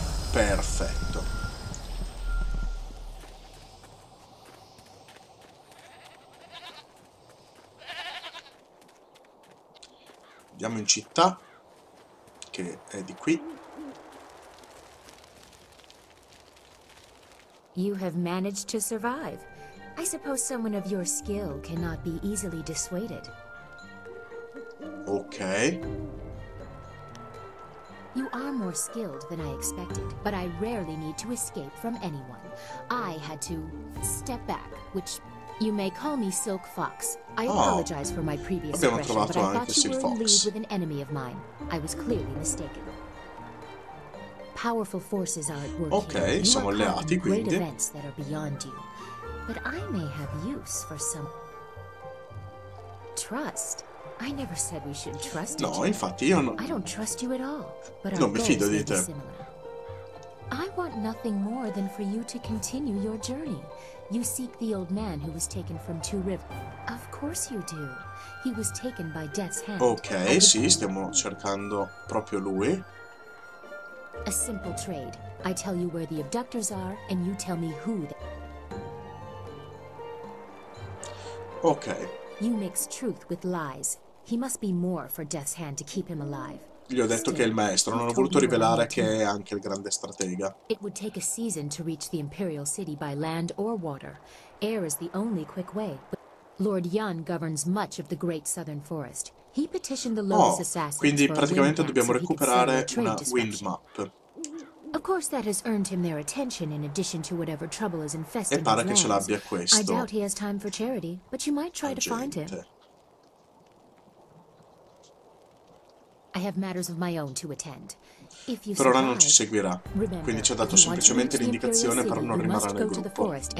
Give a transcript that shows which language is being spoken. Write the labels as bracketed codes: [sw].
[it] Perfetto. Andiamo in città, che è di qui. [en] You have managed to survive. I suppose someone of your skill cannot be easily dissuaded. Ok. You are more skilled than I expected, but I rarely need to escape from anyone. I had to step back, which you may call me Silk Fox. I apologize for my previous aggression, but I thought you were in league with an enemy of mine. I was clearly mistaken. Powerful forces are at work. [it] Okay, siamo alleati, quindi. [en] Great events that are beyond you, but I may have use for some trust. I never said we should trust you. [it] No, infatti io non. [en] I don't trust you at all. But [it] non mi fido di te. [en] I want nothing more than for you to continue your journey. You seek the old man who was taken from Two Rivers. Of course you do. He was taken by Death's Hand. [it] Okay, sì, stiamo cercando proprio lui. [en] A simple trade. I tell you where the abductors are, and you tell me who. Okay. You mix truth with lies. He must be more for Death's Hand to keep him alive. [it] Gli ho detto che è il maestro, non ho voluto rivelare che è anche il grande stratega. [en] It would take a season to reach the Imperial City by land or water. Air is the only quick way. Lord Yun governs much of the Great Southern Forest. He petitioned the Lotus Assassins. [it] Quindi praticamente dobbiamo recuperare una wind map. [en] Of course that has earned him their attention in addition to whatever trouble is infesting his lands. [it] E pare ce l'abbia questo. [en] I doubt he has time for charity, but you might try to find him. I have matters of my own to attend. If you [it] per ora non ci seguirà, quindi ci ha dato semplicemente l'indicazione per non rimanere nel gruppo.